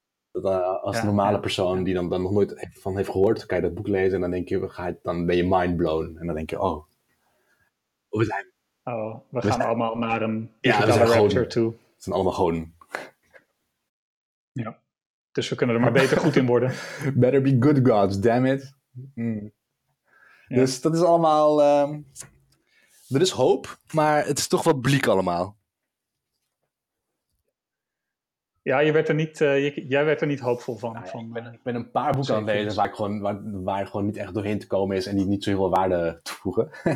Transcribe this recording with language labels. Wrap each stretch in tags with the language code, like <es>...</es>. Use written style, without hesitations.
<nl>Dat, als een normale persoon die dan nog nooit van heeft gehoord, kan je dat boek lezen en dan denk je, dan ben je mindblown. En dan denk je, we gaan allemaal naar een... Ja, we zijn gewoon. We zijn allemaal gewoon. Ja. Dus we kunnen er maar beter goed in worden.</nl> <en>Better be good gods, damn it.</en> <nl>Mm. Ja. Dus dat is allemaal... er is hoop, maar het is toch wel bleak allemaal. Ja, je werd er niet, jij werd er niet hoopvol van. Nou ja, ik ben een paar boeken aan het lezen waar gewoon niet echt doorheen te komen is en die niet zo heel veel waarde toevoegen.</nl>